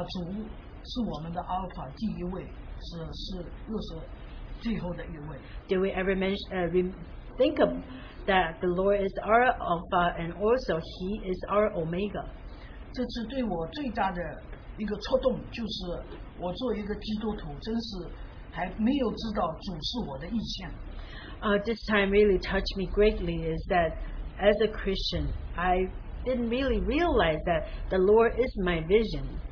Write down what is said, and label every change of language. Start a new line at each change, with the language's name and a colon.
Chinese: 我们有没有considered主是我们的 Alpha 第一位，是又是最后的一位？
English: Did we ever think of that the Lord is our Alpha and also He is our Omega?
Chinese: 这次对我最大的一个触动就是，我作为一个基督徒，真是还没有知道主是我的意向。
English: This time really touched me greatly is that as a Christian, I didn't really realize that the Lord is my vision.